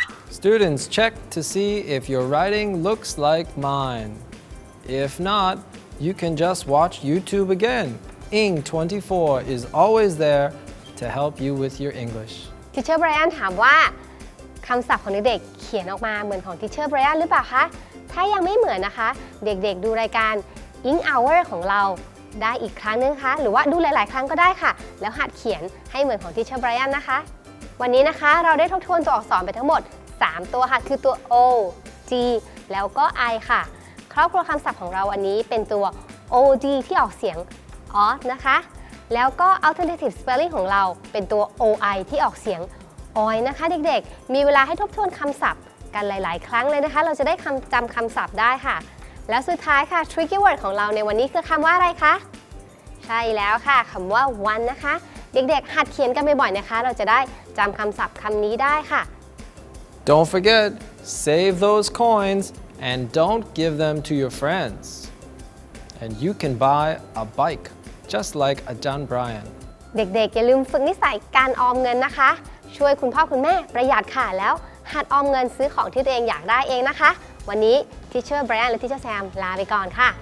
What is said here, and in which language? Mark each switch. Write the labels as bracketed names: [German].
[English] Students, check to see if your writing looks like mine. If not, you can just watch YouTube again. eng24 is always there to help you with your English. [Thai] Teacher Brian ถามว่าคำศัพท์ของเด็กเขียนออกมาเหมือนของ Teacher Brian หรือเปล่าคะถ้ายังไม่เหมือนนะคะเด็กๆดูรายการ eng hour ของเราได้อีกครั้งนึงคะหรือว่าดูหลายๆครั้งก็ได้ค่ะแล้วหัดเขียนให้เหมือนของทีเชอร์ไบรอันนะคะวันนี้นะคะเราได้ทบทวนตัวอักษรไปทั้งหมด3ตัวค่ะคือตัว O G แล้วก็ I ค่ะครอบครัวคำศัพท์ของเราวันนี้เป็นตัว O G ที่ออกเสียงออดนะคะแล้วก็ alternative spelling ของเราเป็นตัว O I ที่ออกเสียงออยนะคะเด็กๆมีเวลาให้ทบทวนคำศัพท์กันหลายๆครั้งเลยนะคะเราจะได้คำจำคำศัพท์ได้ค่ะแล้วสุดท้ายค่ะ tricky word ของเราในวันนี้คือคำว่าอะไรคะใช่แล้วค่ะคำว่า one นะคะเด็กๆหัดเขียนกันบ่อยๆนะคะเราจะได้จำคำศัพท์คำนี้ได้ค่ะ [English] Don't forget save those coins and don't give them to your friends and you can buy a bike just like a John Brian [Thai] เด็กๆอย่าลืมฝึกนิสัยการออมเงินนะคะช่วยคุณพ่อคุณแม่ประหยัดค่ะแล้วหัดออมเงินซื้อของที่ตัวเองอยากได้เองนะคะวันนี้ทีเชอร์ไบรอันและทีเชอร์แซมลาไปก่อนค่ะ